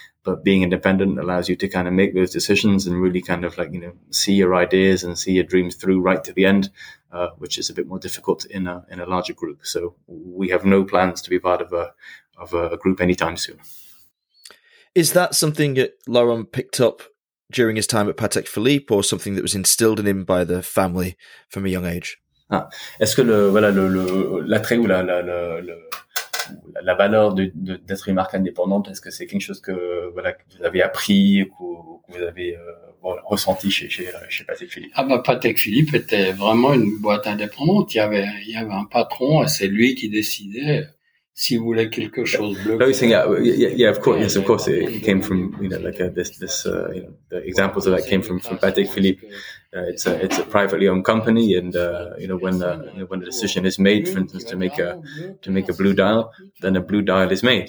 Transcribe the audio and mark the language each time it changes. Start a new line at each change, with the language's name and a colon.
English: But being independent allows you to kind of make those decisions and really kind of see your ideas and see your dreams through right to the end, which is a bit more difficult in a larger group. So we have no plans to be part of a group anytime soon. Is that something that Laurent picked up during his time at Patek Philippe, or something that was instilled in him by the family from a young age?
French: Ah, est-ce que l'attrait ou la valeur d'être une marque indépendante, est-ce que c'est quelque chose que vous avez appris ou que vous avez ressenti chez Patek Philippe? Ah bah, Patek Philippe était vraiment une boîte indépendante. Il y avait un patron et c'est lui qui décidait.
English: Of course, it came from the examples of that came from Patek Philippe. It's a privately owned company, and when a decision is made, for instance, to make a blue dial, then a blue dial is made.